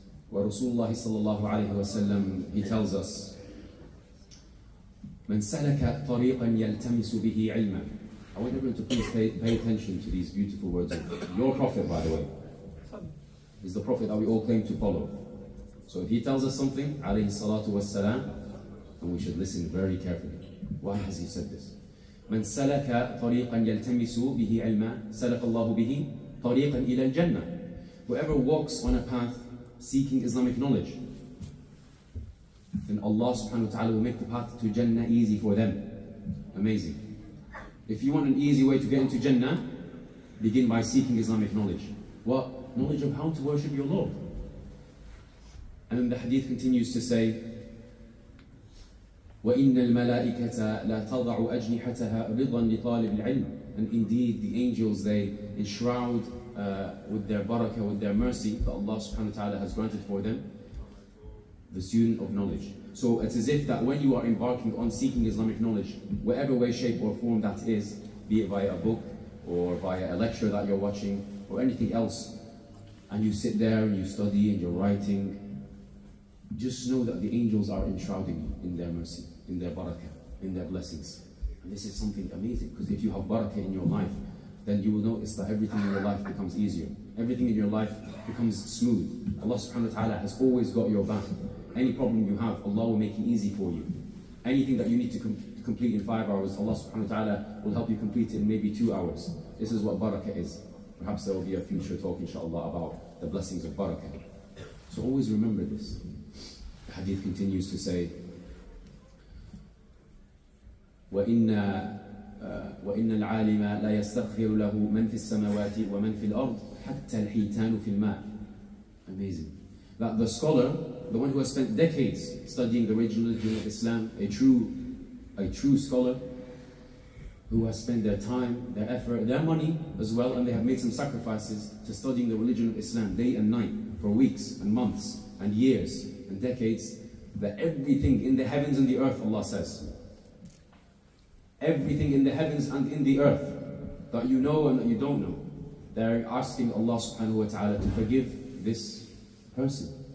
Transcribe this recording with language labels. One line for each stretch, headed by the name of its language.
English: Where Rasulullah sallallahu alayhi wa sallam, he tells us,
Arabic: من سلك طريقا يلتمس به علما.
English: I want everyone to please pay attention to these beautiful words. Your prophet, by the way, is the prophet that we all claim to follow. So if he tells us something,
Arabic: عليه الصلاة والسلام,
English: and we should listen very carefully. Why has he said this?
Arabic: من سلك طريقا يلتمس به علما سلك الله به طريقا إلى الجنة.
English: Whoever walks on a path seeking Islamic knowledge, then Allah subhanahu wa ta'ala will make the path to Jannah easy for them. Amazing. If you want an easy way to get into Jannah, begin by seeking Islamic knowledge. What? Knowledge of how to worship your Lord. And then the hadith continues to say,
Arabic: وَإِنَّ الْمَلَائِكَةَ لَا تَضَعُ أَجْنِحَتَهَا رِضًا لِطَالِبِ الْعِلْمِ.
English: And indeed, the angels, they enshroud with their barakah, with their mercy that Allah subhanahu wa ta'ala has granted for them, the student of knowledge. So it's as if that when you are embarking on seeking Islamic knowledge, whatever way, shape or form that is, be it via a book or via a lecture that you're watching or anything else, and you sit there and you study and you're writing, just know that the angels are enshrouding you in their mercy, in their barakah, in their blessings. And this is something amazing, because if you have barakah in your life, then you will notice that everything in your life becomes easier. Everything in your life becomes smooth. Allah subhanahu wa ta'ala has always got your back. Any problem you have, Allah will make it easy for you. Anything that you need to complete in 5 hours, Allah subhanahu wa ta'ala will help you complete it in maybe 2 hours. This is what barakah is. Perhaps there will be a future talk, inshallah, about the blessings of barakah. So always remember this. The hadith continues to say,
Arabic: وَإِنَّ الْعَالِمَ لَا يَسْتَغْفِرُ لَهُ مَنْ فِي السَّمَوَاتِ وَمَنْ فِي الْأَرْضِ حَتَّى الْحِيْتَانُ فِي الْمَاءِ.
English: Amazing. That the scholar, the one who has spent decades studying the original religion of Islam, a true a true scholar who has spent their time, their effort, their money as well, and they have made some sacrifices to studying the religion of Islam day and night for weeks and months and years and decades, that everything in the heavens and the earth, Allah says, everything in the heavens and in the earth that you know and that you don't know, they're asking Allah subhanahu wa ta'ala to forgive this person.